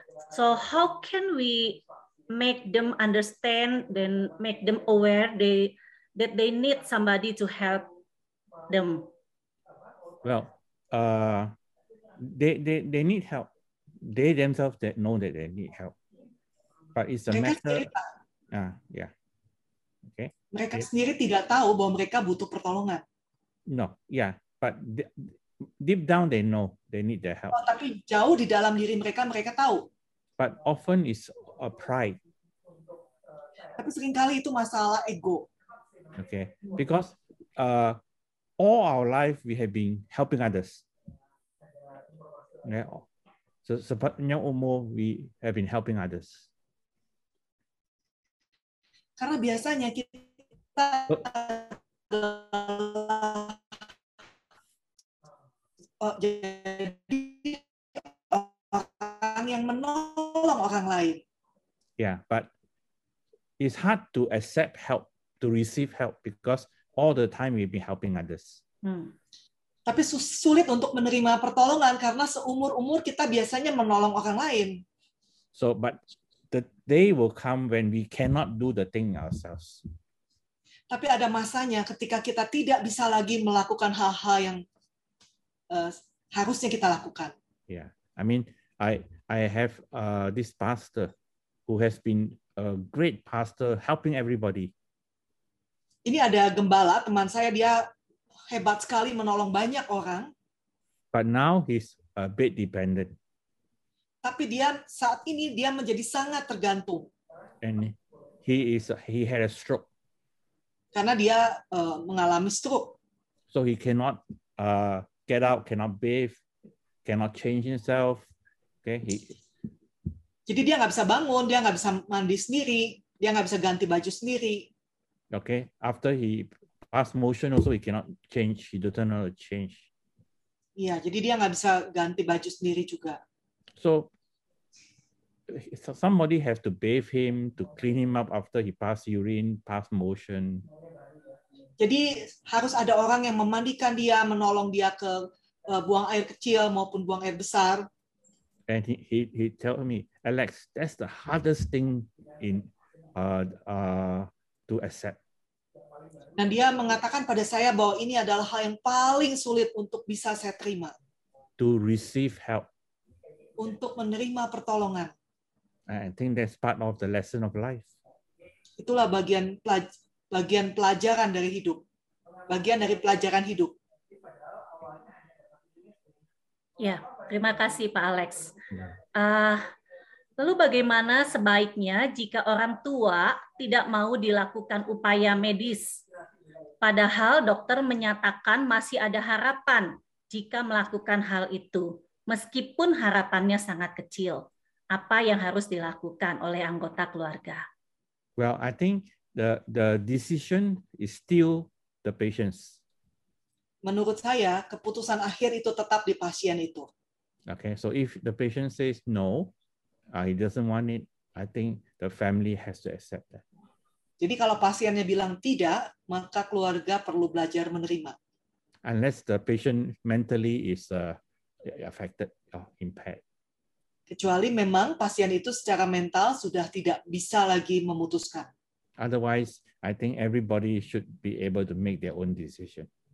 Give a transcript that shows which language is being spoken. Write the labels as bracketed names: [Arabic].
[English] So, how can we make them understand, then make them aware that they need somebody to help them? Well, they need help. They themselves that know that they need help, but it's a matter. Okay. [Indonesian] Mereka sendiri tidak tahu bahwa mereka butuh pertolongan. [English] No, yeah, but deep down they know they need their help. [Indonesian] Oh, tapi jauh di dalam diri mereka tahu. [English] But often it's a pride. [Indonesian] Tapi seringkali itu masalah ego. [English] Okay, because all our life we have been helping others. Yeah. So [Indonesian] sepanjang umur [English] we have been helping others. [Indonesian] Karena biasanya kita adalah jadi orang yang menolong. menolong orang lain. [English] Yeah, but it's hard to accept help, to receive help, because all the time we've been helping others. [Indonesian] Tapi sulit untuk menerima pertolongan karena seumur-umur kita biasanya menolong orang lain. [English] So, but the day will come when we cannot do the thing ourselves. [Indonesian] Tapi ada masanya ketika kita tidak bisa lagi melakukan hal-hal yang harusnya kita lakukan. [English] Yeah, I mean, I have this pastor who has been a great pastor helping everybody. [Indonesian] Ini ada gembala teman saya, dia hebat sekali menolong banyak orang. [English] But now he's a bit dependent. [Indonesian] Tapi dia saat ini dia menjadi sangat tergantung. [English] And he had a stroke. [Indonesian] Karena dia mengalami stroke. [English] So he cannot get out, cannot bathe, cannot change himself. Okay, [Indonesian] jadi dia nggak bisa bangun, dia nggak bisa mandi sendiri, dia nggak bisa ganti baju sendiri. [English] Okay, after he passed motion also he cannot change, he doesn't know how to change. [Indonesian] Yeah, jadi dia nggak bisa ganti baju sendiri juga. [English] So somebody has to bathe him, to clean him up after he passed urine, passed motion. [Indonesian] Jadi harus ada orang yang memandikan dia, menolong dia ke buang air kecil maupun buang air besar. [English] And he tell me, Alex, that's the hardest thing in to accept. [Indonesian] Dan dia mengatakan pada saya bahwa ini adalah hal yang paling sulit untuk bisa saya terima. [English] To receive help. [Indonesian] Untuk menerima pertolongan. [English] I think that's part of the lesson of life. [Indonesian] Itulah bagian pelajaran dari hidup. Bagian dari pelajaran hidup. Ya, terima kasih Pak Alex. Lalu bagaimana sebaiknya jika orang tua tidak mau dilakukan upaya medis, padahal dokter menyatakan masih ada harapan jika melakukan hal itu, meskipun harapannya sangat kecil. Apa yang harus dilakukan oleh anggota keluarga? [English] Well, I think the decision is still the patient's. [Indonesian] Menurut saya, keputusan akhir itu tetap di pasien itu. [English] Okay, so if the patient says no, he doesn't want it, I think the family has to accept that. [Indonesian] Jadi kalau pasiennya bilang tidak, maka keluarga perlu belajar menerima. [English] Unless the patient mentally is affected or impaired. [Indonesian] Kecuali memang pasien itu secara mental sudah tidak bisa lagi memutuskan. [English] Otherwise, I think everybody should be able to make their own decision.